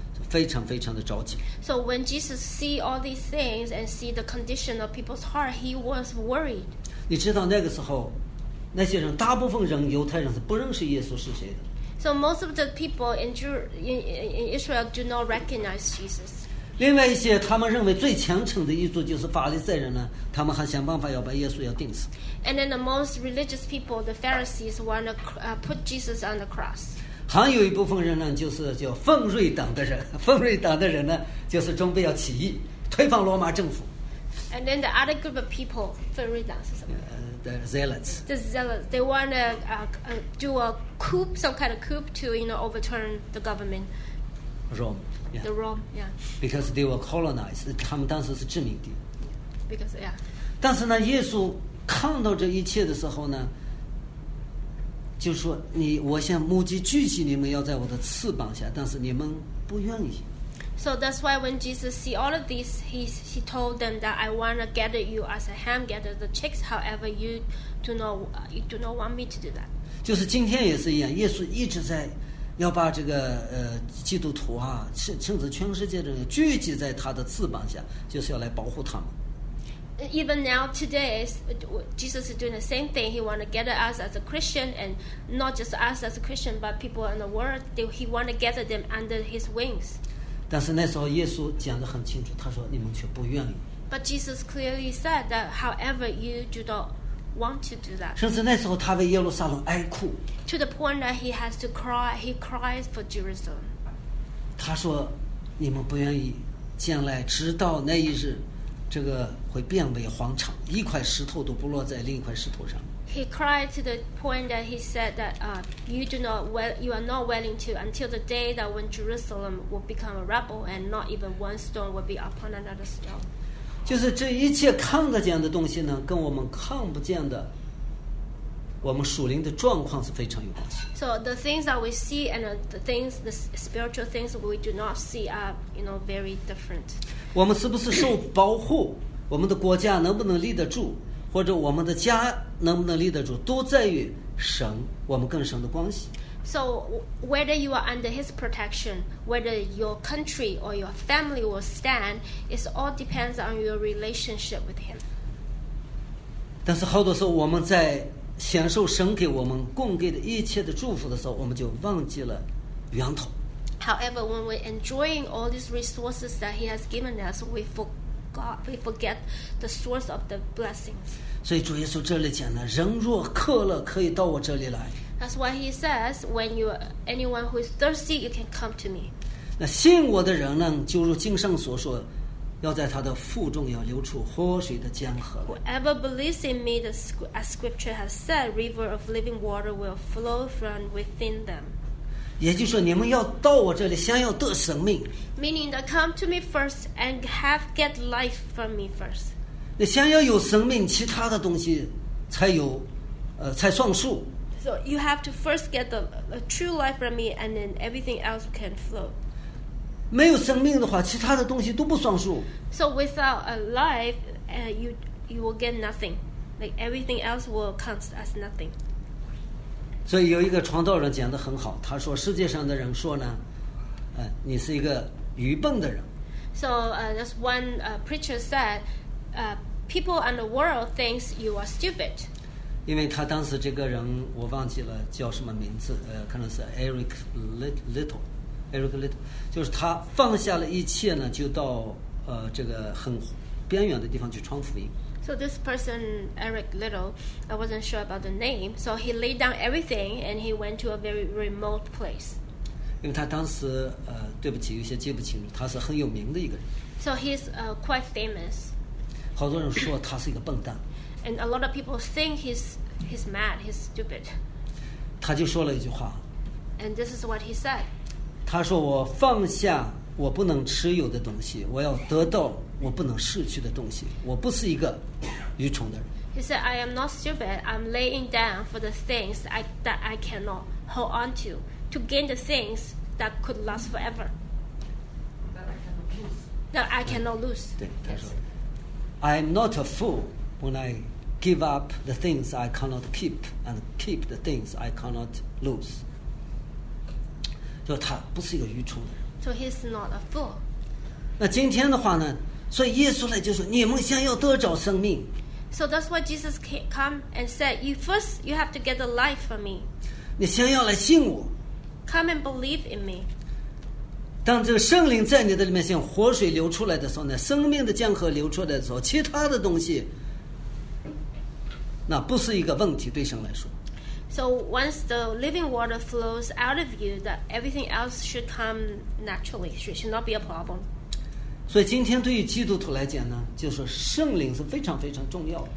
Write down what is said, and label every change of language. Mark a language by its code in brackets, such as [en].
[zh] 非常非常的着急。 [en] So when Jesus see all these things and see the condition of people's heart, he was worried. [zh] 你知道那个时候，那些人大部分人犹太人是不认识耶稣是谁的。 [en] So most of the people in Israel do not recognize Jesus. [zh] 另外一些他们认为最虔诚的一族就是法利赛人呢，他们还想办法要把耶稣要钉死。 [en] And then the most religious people, the Pharisees, want to put Jesus on the cross. [zh] 还有一部分人呢，就是叫奉瑞党的人。奉瑞党的人呢，就是准备要起义，推翻罗马政府。 [en] And then the other group of people, [zh] 奉瑞党是什么？ [en] The zealots. The zealots. They want to do a coup, some kind of coup to, you know, overturn the government. Rome. Yeah. The Rome. Yeah. Because they were colonized. [zh] 他们当时是殖民地。 [en] Yeah. Because yeah. [zh] 但是呢，耶稣看到这一切的时候呢。就说你，我像母鸡聚集你们，要在我的翅膀下，但是你们不愿意。 [en] So that's why when Jesus see all of this, he told them that I want to gather you as a hen gathers the chicks. However, you do not want me to do that. [zh] 就是今天也是一样，耶稣一直在要把这个基督徒啊，甚至全世界的人聚集在他的翅膀下，就是要来保护他们。 [en] Even now, today, Jesus is doing the same thing. He want to gather us as a Christian, and not just us as a Christian, but people in the world. He want to gather them under his wings. [zh] 但是那时候，耶稣讲得很清楚，他说：“你们却不愿意。” [en] But Jesus clearly said that, however, you do not want to do that. [zh] 甚至那时候他为耶路撒冷哀哭。 [en] To the point that he has to cry, he cries for Jerusalem. [zh] 他说：“你们不愿意进来，直到那一日，这个会变为荒场，一块石头都不落在另一块石头上。” [en] He cried to the point that he said that you are not willing to until the day that when Jerusalem will become a rubble and not even one stone will be upon another stone. [zh] 就是这一切看得见的东西呢，跟我们看不见的，我们属灵的状况是非常有关系。 [en] So the things that we see and the things, the spiritual things we do not see are, you know, very different. [zh] 我们是不是受保护？我们的国家能不能立得住？或者我们的家能不能立得住？都在于神，我们跟神的关系。 [en] So whether you are under his protection, whether your country or your family will stand, it all depends on your relationship with him. [zh] 但是好多时候我们在享受神给我们供给的一切的祝福的时候，我们就忘记了源头。 [en] However, when we're enjoying all these resources that he has given us, we forget the source of the blessings. [zh] 所以主耶稣这里讲呢，人若渴了，可以到我这里来。 [en] That's why he says, when you are anyone who is thirsty, you can come to me. [zh] 那信我的人呢，就如经上所说，要在他的腹中要流出活水的江河。 [en] Whoever believes in me, as scripture has said, river of living water will flow from within them. [zh] 也就是说，你们要到我这里，先要得生命。 [en] Meaning that come to me first and get life from me first. [zh] 那先要有生命，其他的东西才有，才算数。 [en] So you have to first get the true life from me, and then everything else can flow. [zh] 没有生命的话，其他的东西都不算数。 [en] So without a life, you will get nothing. Like everything else will count as nothing. [zh] 所以有一个传道人讲得很好，他说世界上的人说呢，你是一个愚笨的人。 [en] So that's one preacher said, people in the world think you are stupid. [zh] 因为他当时这个人我忘记了叫什么名字，可能是 Eric Little， 就是他放下了一切呢，就到这个很边缘的地方去传福音。 [en] So this person Eric Little, I wasn't sure about the name. So he laid down everything and he went to a very remote place. [zh] 因为他当时对不起，有些记不清楚，他是很有名的一个人。 [en] So he's quite famous. [zh] 好多人说他是一个笨蛋。 [en] And a lot of people think he's mad, he's stupid. [zh] 他就说了一句话。 [en] And this is what he said. [zh] 他说我放下我不能持有的东西，我要得到我不能失去的东西。我不是一个愚蠢的人。 [en] He said, I am not stupid. I'm laying down for the things that I cannot hold on to gain the things that could last forever. That I cannot lose. [zh] 对，他说、 [en] yes. I'm not a fool. When I give up the things I cannot keep and keep the things I cannot lose. [zh] 就他不是一个愚蠢的人。 [en] So he's not a fool. [zh] 那今天的话呢，所以耶稣来就说，你们先要得着生命。 [en] So that's why Jesus came and said, you first, you have to get the life from me. [zh] 你先要来信我。 [en] Come and believe in me. [zh] 当这个圣灵在你的里面像活水流出来的时候呢，生命的江河流出来的时候，其他的东西那不是一个问题，对神来说。 [en] So once the living water flows out of you, that everything else should come naturally, should not be a problem. [zh] 所以今天对于基督徒来讲呢，就是圣灵是非常非常重要的。